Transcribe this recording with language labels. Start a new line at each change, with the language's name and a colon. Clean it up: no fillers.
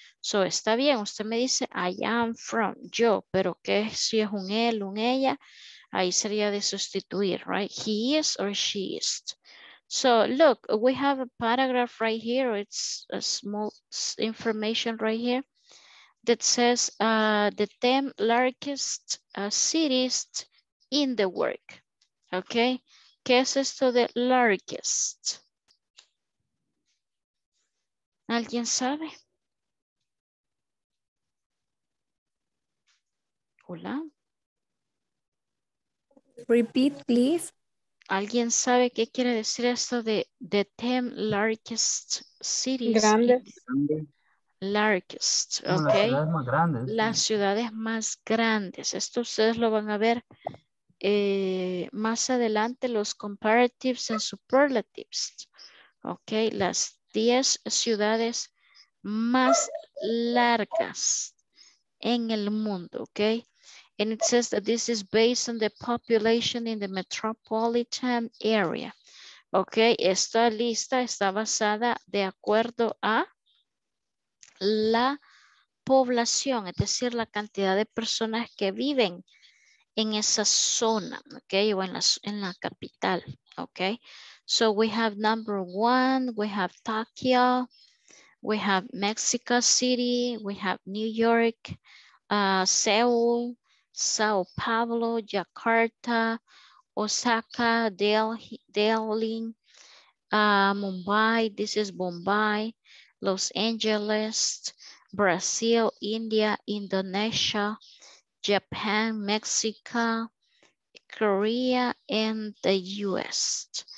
Spanish: So, está bien, usted me dice,
English: I am from,
Spanish: yo, pero ¿qué si es un él, un ella? Ahí sería de sustituir, right?
English: He is or she is. So, look, we have a paragraph right here, it's a small information right here, that says the 10 largest cities in the world, okay?
Spanish: ¿Qué es esto de largest? ¿Alguien sabe? Hola.
English: Repeat, please.
Spanish: ¿Alguien sabe qué quiere decir esto de
English: the 10 largest cities?
Spanish: Grandes.
English: Largest, ok.
Spanish: Las ciudades más grandes. Las ciudades más grandes. Esto ustedes lo van a ver más adelante, los
English: comparatives and superlatives.
Spanish: Ok, las 10 ciudades más largas en el mundo, okay?
English: And it says that this is based on the population in the metropolitan area, okay?
Spanish: Esta lista está basada de acuerdo a la población, es decir, la cantidad de personas que viven en esa zona, okay? O en la capital, okay?
English: So we have number one, we have Tokyo, we have Mexico City, we have New York, Seoul, Sao Paulo, Jakarta, Osaka, Delhi, Mumbai, this is Mumbai, Los Angeles, Brazil, India, Indonesia, Japan, Mexico, Korea, and the US.